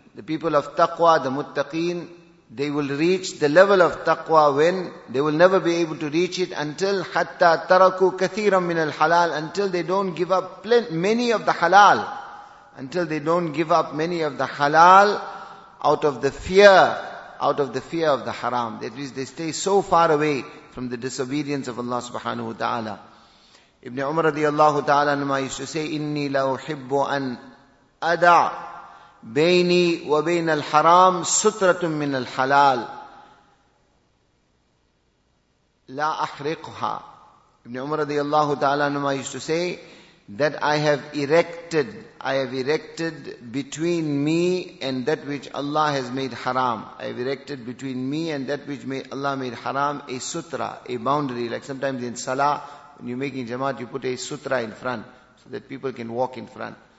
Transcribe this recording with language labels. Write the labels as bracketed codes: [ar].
[en] The people of taqwa, the muttaqin, they will reach the level of taqwa when they will never be able to reach it until [ar] hatta taraku kathiran min al-halal, [en] until they don't give up many of the halal, until they don't give up many of the halal out of the fear of the haram. That is, they stay so far away from the disobedience of Allah subhanahu wa ta'ala. [ar] Ibn Umar radiallahu ta'ala anhu [en] used to say, [ar] inni la uhibbu an ada بيني وبين الحرام سترة من الحلال لا أحرقها. [en] Ibn Umar radiallahu ta'ala anhu used to say that I have erected between me and that which Allah has made haram. I have erected between me and that which Allah made haram a sutra, a boundary. Like sometimes in salah, when you're making jamaat, you put a sutra in front so that people can walk in front.